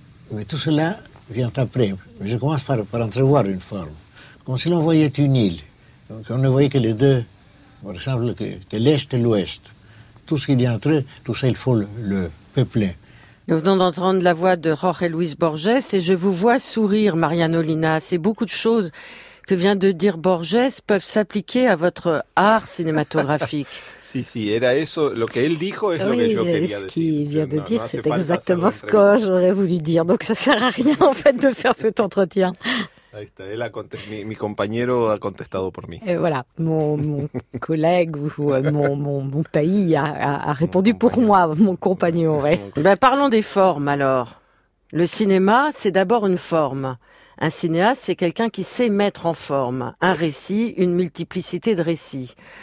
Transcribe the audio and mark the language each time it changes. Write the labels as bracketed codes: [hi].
[fr] Mais tout cela vient après. Mais je commence par entrevoir une forme, comme si l'on voyait une île, comme si on ne voyait que les deux, par exemple, que l'Est et l'Ouest. Tout ce qu'il y a entre eux, tout ça, il faut le peupler. Nous venons d'entendre la voix de Jorge Luis Borges et je vous vois sourire, Mariano Lina. C'est beaucoup de choses que vient de dire Borges peuvent s'appliquer à votre art cinématographique. [es] Si, si, era eso, lo que él dijo es [fr] oui, [es] lo que yo quería decir. [fr] Oui, ce qu'il vient de dire, c'est exactement ce que j'aurais voulu dire. Donc ça ne sert à rien, en fait, de faire cet entretien. [es] Ahí está, él mi compañero ha contestado por mí. [fr] Et voilà, mon collègue ou mon pays a répondu pour moi, mon compagnon. Ouais. Ben parlons des formes alors. Le cinéma, c'est d'abord une forme. Un cinéaste, c'est quelqu'un qui sait mettre en forme un récit, une multiplicité de récits.